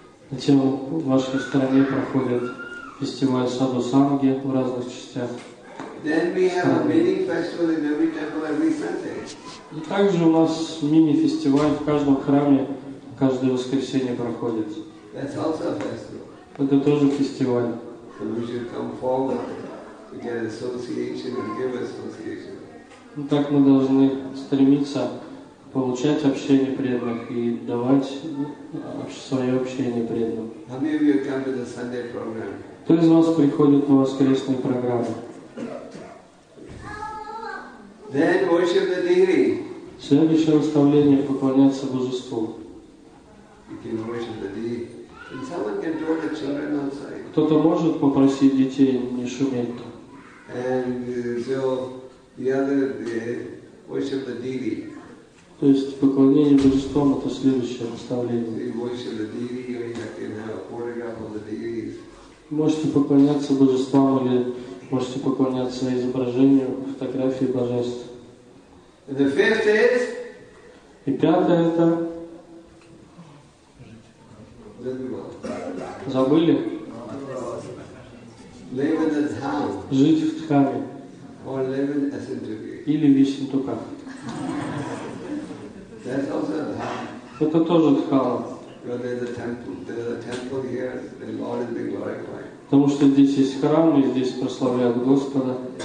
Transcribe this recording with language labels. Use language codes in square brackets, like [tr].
[ru] Затем в вашей стране проходит фестиваль Саду Санги в разных частях. И также у нас мини-фестиваль в каждом храме каждое воскресенье проходит. Это тоже фестиваль. [en] And we should come forward to get association and give association. [ru] Так мы должны стремиться получать общение преданных и давать свое общение преданным. [en] How many of you come to the Sunday program? [ru] Кто из вас приходит на воскресную программу? [en] Then worship the deity. [ru] Следующее наставление – поклоняться Божеству. [en] You can worship the deity. And someone can draw the children outside. [ru] Кто-то может попросить детей не шуметь. [en] And so the other worship the deity. [ru] То есть поклонение божествам это следующее наставление. [en] You worship the deity, or you can have a photograph of the deities. [ru] Можете поклоняться божествам или можете поклоняться изображению, фотографии божеств. [en] And the fifth is. [ru] И пятое это. Забыли? Забыли? [en] live in a dham, [ru] жить в дхаме, [en] or live in a sintuki, [ru] или в ишинтука. [en] That's also a dham. [ru] Это тоже дхама. [en] But there's a temple here, the Lord is being glorified. [ru] Потому что здесь есть храм, и здесь прославляют Господа.